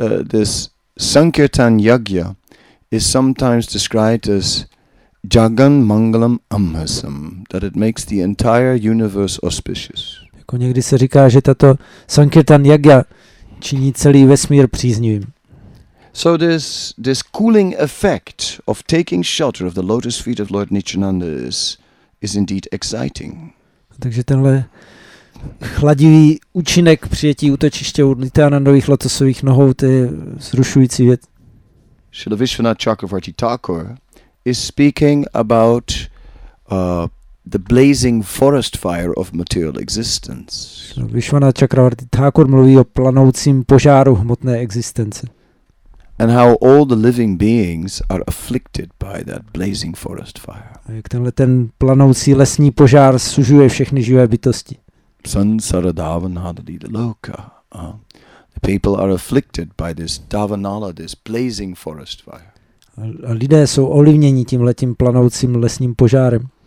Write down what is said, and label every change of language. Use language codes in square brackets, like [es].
[en] This Sankirtan Yagya is sometimes described as [sa] Jagan Mangalam Amhasam, [en] that it makes the entire universe auspicious. [cs] Jako někdy se říká, že tato Sankirtan Yagya činí celý vesmír příznivým. [en] So this cooling effect of taking shelter of the lotus feet of Lord Nityananda is indeed exciting. [cs] Takže tenhle chladivý účinek přijetí útočiště u Nityanandových lotosových nohou, to je vzrušující věc. [en] Srila Vishvanatha Chakravarti Thakur is speaking about the blazing forest fire of material existence. [cs] Srila Vishvanatha Chakravarti Thakur mluví o planoucím požáru hmotné existence. [en] And how all the living beings are afflicted by that blazing forest fire. [cs] Jak tenhle ten planoucí lesní požár sužuje všechny živé bytosti. [sa] Sansara davanadi loka. [en] The people are afflicted by this davanala, this blazing forest fire. [cs] A lidé jsou ovlivněni tímhle tím planoucím lesním požárem.